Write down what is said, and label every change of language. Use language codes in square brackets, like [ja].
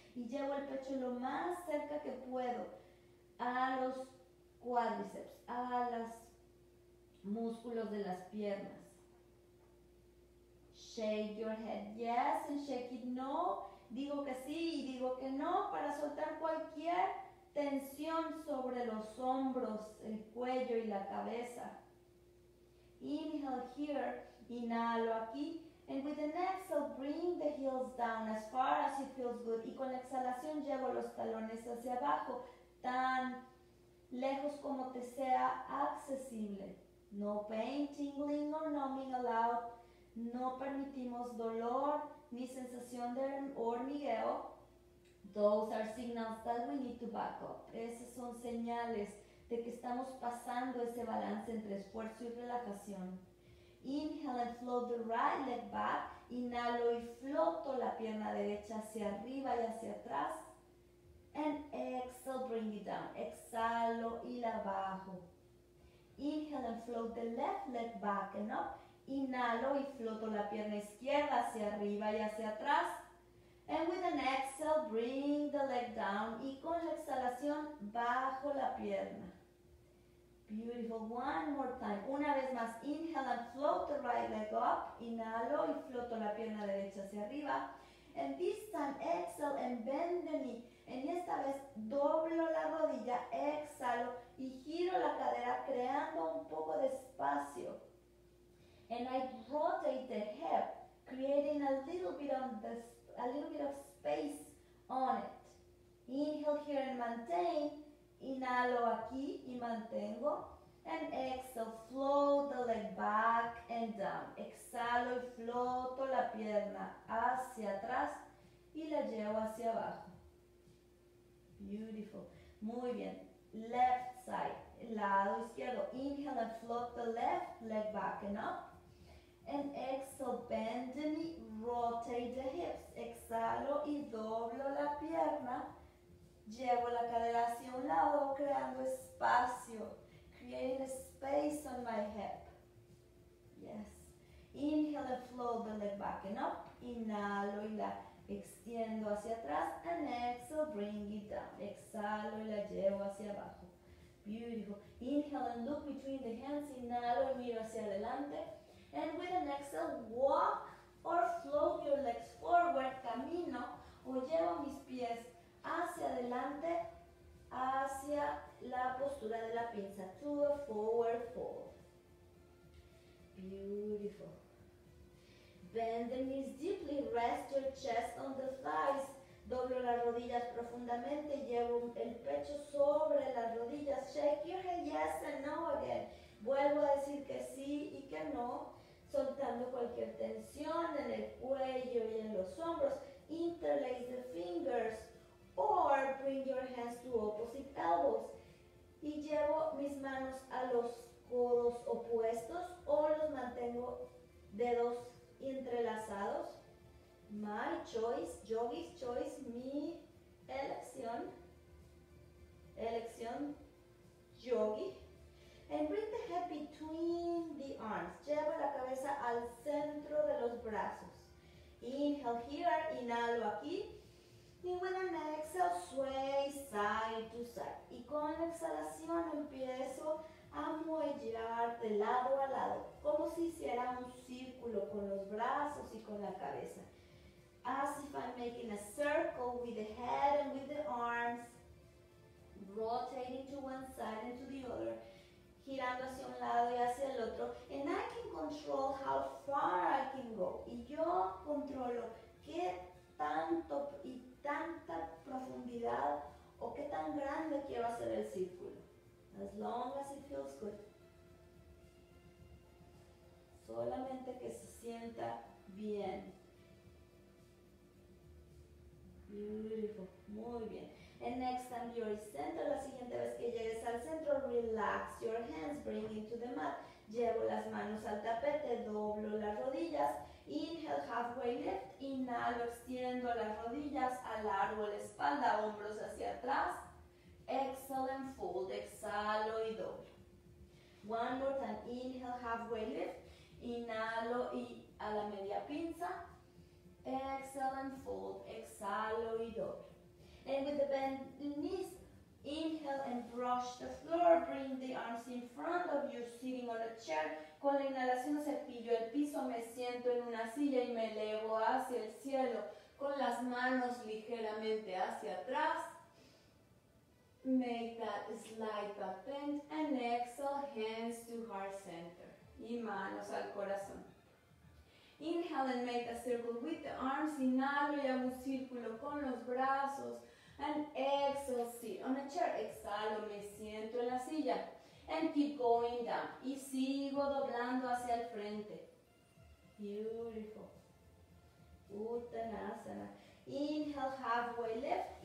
[es] Y llevo el pecho lo más cerca que puedo a los cuádriceps, a los músculos de las piernas. [en] Shake your head. Yes, and shake it. No. [es] Digo que sí y digo que no para soltar cualquier tensión sobre los hombros, el cuello y la cabeza. [en] Inhale here, [es] inhalo aquí. [en] And with an exhale, bring the heels down as far as it feels good. [es] Y con la exhalación llevo los talones hacia abajo, tan lejos como te sea accesible. [en] No pain, tingling or numbing allowed. [es] No permitimos dolor ni sensación de hormigueo. [en] Those are signals that we need to back up. [es] Esas son señales de que estamos pasando ese balance entre esfuerzo y relajación. [en] Inhale and float the right leg back. [es] Inhalo y floto la pierna derecha hacia arriba y hacia atrás. [en] And exhale, bring it down. [es] Exhalo y la bajo. [en] Inhale and float the left leg back and up. [es] Inhalo y floto la pierna izquierda hacia arriba y hacia atrás. [en] And with an exhale, bring the leg down. [es] Y con la exhalación, bajo la pierna. [en] Beautiful. One more time. [es] Una vez más. [en] Inhale and float the right leg up. [es] Inhalo y floto la pierna derecha hacia arriba. [en] And this time, exhale and bend the knee. [es] En esta vez, doblo la rodilla, exhalo y giro la cadera creando un poco de espacio. [en] And I rotate the hip, creating a little bit of space on it. Inhale here and maintain. [es] Inhalo aquí y mantengo. [en] And exhale, float the leg back and down. [es] Exhalo y floto la pierna hacia atrás y la llevo hacia abajo. [en] Beautiful. [es] Muy bien. [en] Left side, [es] lado izquierdo. [en] Inhale and float the left leg back and up. And exhale, bend the knee, rotate the hips. [es] Exhalo y doblo la pierna. Llevo la cadera hacia un lado, creando espacio. [en] Creating a space on my hip. Yes. Inhale and float the leg back and up. [es] Inhalo y la extiendo hacia atrás. [en] And exhale, bring it down. [es] Exhalo y la llevo hacia abajo. [en] Beautiful. Inhale and look between the hands. [es] Inhalo y miro hacia adelante. [en] And with an exhale, walk or float your legs forward. [es] Camino o llevo mis pies hacia adelante, hacia la postura de la pinza. [en] To a forward fold. Beautiful. Bend the knees deeply. Rest your chest on the thighs. [es] Doblo las rodillas profundamente. Llevo el pecho sobre las rodillas. [en] Shake your head yes and no again. [es] Vuelvo a decir que sí y que no. Soltando cualquier tensión en el cuello y en los hombros. [en] Interlace the fingers. Or bring your hands to opposite elbows. [es] Y llevo mis manos a los codos opuestos o los mantengo dedos entrelazados. [en] My choice, yogi's choice, [es] mi elección. Elección yogi. [en] And bring the head between the arms. [es] Llevo la cabeza al centro de los brazos. [en] Inhale here, [es] inhalo aquí. [en] Y with an exhale, sway side to side. [es] Y con la exhalación empiezo a muellar de lado a lado, como si hiciera un círculo con los brazos y con la cabeza. [en] As if I'm making a circle with the head and with the arms, rotating to one side and to the other, [es] girando hacia un lado y hacia el otro. [en] And I can control how far I can go. [es] Y yo controlo qué tanto y tanta profundidad o qué tan grande quiero hacer el círculo. [en] As long as it feels good. [es] Solamente que se sienta bien. [en] Beautiful. [es] Muy bien. [en] And next time you're in center, [es] la siguiente vez que llegues al centro, [en] relax your hands, bring it to the mat. [es] Llevo las manos al tapete, doblo las rodillas. [en] Inhale, halfway lift. [es] Inhalo, extiendo las rodillas, alargo la espalda, hombros hacia atrás. [en] Exhale and fold. [es] Exhalo y doblo. [en] One more time. Inhale, halfway lift. [es] Inhalo y a la media pinza. [en] Exhale and fold. [es] Exhalo y doblo. [en] And with the bent knees, inhale and brush the floor. Bring the arms in front of you, sitting on a chair. [es] Con la inhalación cepillo el piso, me siento en una silla y me elevo hacia el cielo. Con las manos ligeramente hacia atrás. [en] Make that slight but bend. And exhale, hands to heart center. [es] Y manos al corazón. [en] Inhale and make a circle with the arms. [es] Inhalo y hago un círculo con los brazos. [en] And exhale, sit on a chair. [es] Exhalo, me siento en la silla. [en] And keep going down. [es] Y sigo doblando hacia el frente. [en] Beautiful. Uttanasana. Inhale, halfway lift.